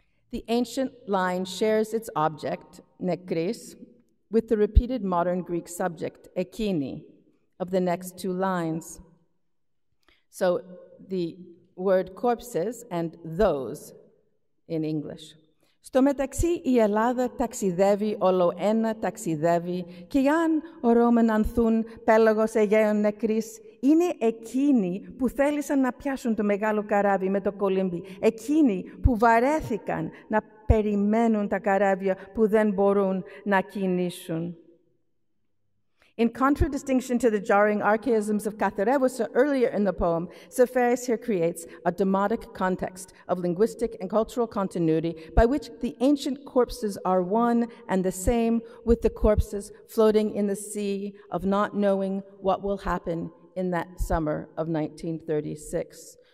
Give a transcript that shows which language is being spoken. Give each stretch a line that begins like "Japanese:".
English: The ancient line shares its object, nekris, with the repeated modern Greek subject, ekini, of the next two lines. So the word corpses and those in English.
Greek: Στο μεταξύ η Ελλάδα ταξιδεύει, όλο ένα ταξιδεύει, και αν ο Ρώμεν ανθούν πέλαγος Αιγαίων νεκρής, είναι εκείνοι που θέλησαν να πιάσουν το μεγάλο καράβι με το κολύμπι, εκείνοι που βαρέθηκαν να περιμένουν τα καράβια που δεν μπορούν να κινήσουν.
English: In contradistinction to the jarring archaisms of Καθερεύουσα earlier in the poem, Σεφέρης here creates a demotic context of linguistic and cultural continuity by which the ancient corpses are one and the same with the corpses floating in the sea of not knowing what will happen in that summer of 1936.